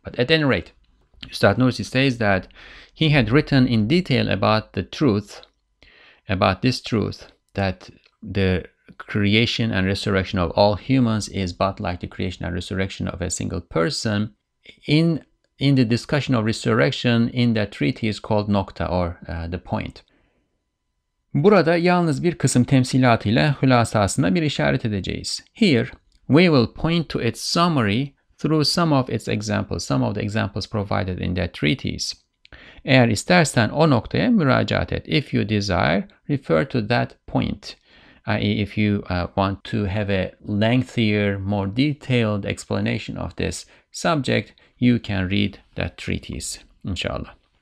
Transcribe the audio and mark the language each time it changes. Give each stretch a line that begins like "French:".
English: But at any rate, Ustad Nursi says that he had written in detail about the truth, about this truth, that the creation and resurrection of all humans is but like the creation and resurrection of a single person in the discussion of resurrection in that treatise called Nokta, or the point.
Turkish: Burada yalnız bir kısım temsilatıyla hülasasına bir işaret edeceğiz.
English: Here, we will point to its summary through some of its examples, some of the examples provided in that treatise.
Turkish: Eğer istersen o noktaya müracaat et.
English: If you desire, refer to that point. I.e. if you want to have a lengthier, more detailed explanation of this subject, you can read that treatise, inshallah.